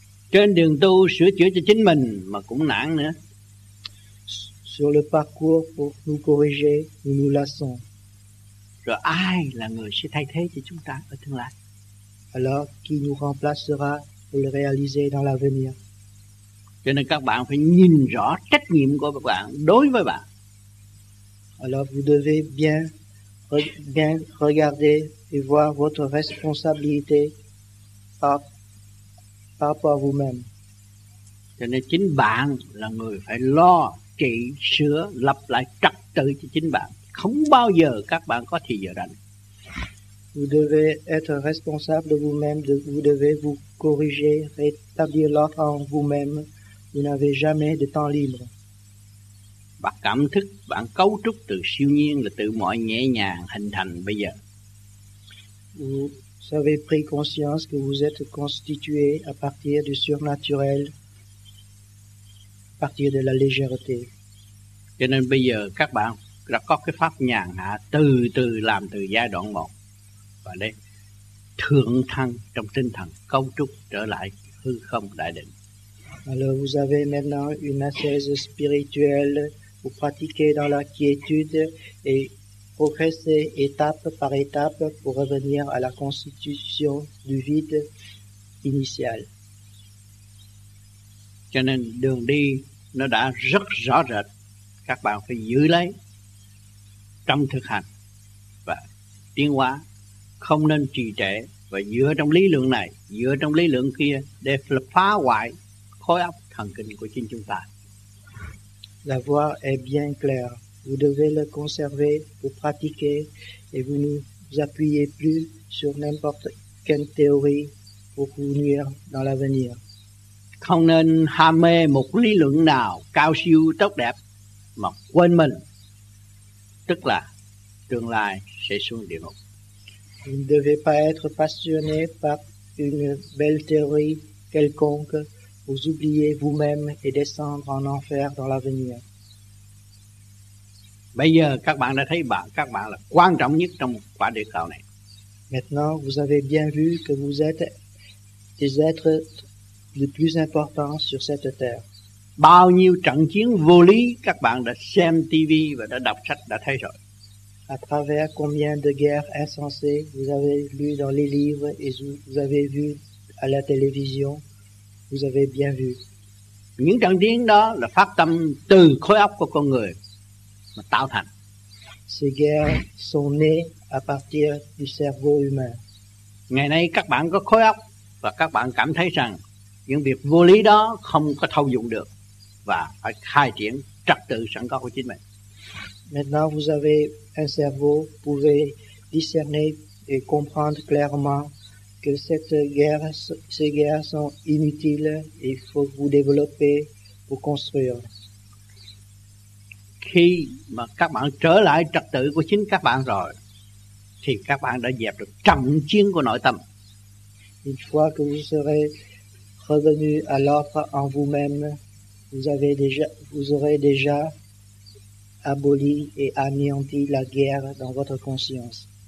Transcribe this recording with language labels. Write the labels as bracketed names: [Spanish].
[Vietnamese] Trên đường tu sửa chữa cho chính mình mà cũng nản nữa. [French] Sur le parcours pour nous corriger, nous nous lassons. [Vietnamese] Rồi ai là người sẽ thay thế cho chúng ta ở tương lai? [French] Alors, qui nous remplacera pour le réaliser dans l'avenir? [Vietnamese] Cho nên các bạn phải nhìn rõ trách nhiệm của các bạn đối với bạn. [French] Alors, vous devez bien regarder et voir votre responsabilité par rapport à vous-même. [Vietnamese] Cho nên chính bạn là người phải lo, trị, sửa, lập lại trật tự cho chính bạn. Không bao giờ các bạn có thì giờ rảnh. [French] Vous devez être responsable de vous-même, vous devez vous corriger, rétablir l'ordre en vous-même. Vous n'avez jamais de temps libre. [Vietnamese] Bạn cảm thức, bạn cấu trúc từ siêu nhiên là từ mọi nhẹ nhàng hình thành bây giờ. [French] Vous avez pris conscience que vous êtes constitué à partir du surnaturel, à partir de la légèreté. [Vietnamese] Cho nên bây giờ các bạn đã có cái pháp nhàn hạ từ từ làm từ giai đoạn một. Và đây thượng thăng trong tinh thần cấu trúc trở lại hư không đại định. [French] Alors vous avez maintenant une assise spirituelle, vous pratiquez dans la quiétude et progressez étape par étape pour revenir à la constitution du vide initial. [Vietnamese] Cho nên đường đi nó đã rất rõ rệt, các bạn phải giữ lấy trong thực hành và tiến hóa. Không nên trì trệ và dựa trong lý luận này, dựa trong lý luận kia để phá hoại khối óc thần kinh của chính chúng ta. [French] La voie est bien claire. Vous devez le conserver pour pratiquer et vous ne vous appuyez plus sur n'importe quelle théorie pour vous nuire dans l'avenir. [Vietnamese] Không nên ham mê một lý luận nào cao siêu tốt đẹp mà quên mình, tức là tương lai sẽ xuống địa ngục. [French] Vous ne devez pas être passionné par une belle théorie quelconque, vous oubliez vous-même et descendre en enfer dans l'avenir. [Vietnamese] Bây giờ các bạn đã thấy các bạn là quan trọng nhất trong quả địa cầu này. [French] Maintenant, vous avez bien vu que vous êtes des êtres les plus importants sur cette terre. [Vietnamese] Bao nhiêu trận chiến vô lý các bạn đã xem TV và đã đọc sách đã thấy rồi. [French] À travers combien de guerres insensées vous avez lu dans les livres et vous avez vu à la télévision, vous avez bien vu. [Vietnamese] Những trận chiến đó là phát tâm từ khối óc của con người mà tạo thành. [French] ces guerres sont nées à partir du cerveau humain. [Vietnamese] Ngày nay các bạn có khối óc và các bạn cảm thấy rằng những việc vô lý đó không có thâu dụng được và phải khai triển trật tự sẵn có của chính mình. [French] Maintenant vous avez un cerveau, pouvez discerner et comprendre clairement que cette guerre, ces guerres sont inutiles et il faut vous développer pour construire. [Vietnamese] Khi mà các bạn trở lại trật tự của chính các bạn rồi, thì các bạn đã dẹp được trận chiến của nội tâm. [French] Une fois que vous serez revenu à l'ordre en vous-même, vous aurez déjà aboli et anéanti la guerre dans votre conscience.